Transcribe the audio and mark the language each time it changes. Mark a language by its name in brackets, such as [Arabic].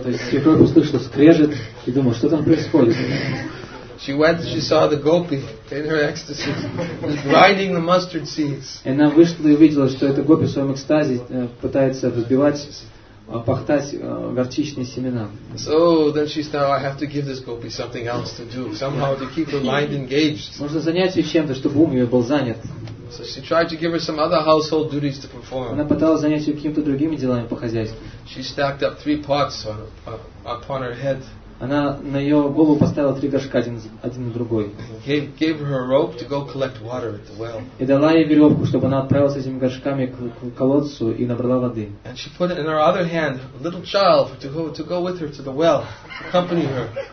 [Russian] Свекровь услышала скрежет и думала, что там происходит. [English] She went and she saw the gopi in her ecstasy grinding the mustard seeds. [Russian] И она вышла и увидела, что эта гопи в своем экстазе пытается взбивать, пахтать горчичные семена. [English] So then she thought, I have to give this gopi something else to do, somehow to keep her mind engaged. [Russian] Нужно занять ее чем-то, чтобы ум ее был занят. [English] So she tried to give her some other household duties to perform. [Russian] Она пыталась занять ее какими-то другими делами по хозяйству. [English] She stacked up three pots upon her head. [Russian] Она на ее голову поставила три горшка один на другой. [English] Gave her a rope to go collect water at the well. [Russian] И дала ей веревку, чтобы она отправилась этими горшками к колодцу и набрала воды. [English] And she put in her other hand a little child to go with her to the well, to accompany her.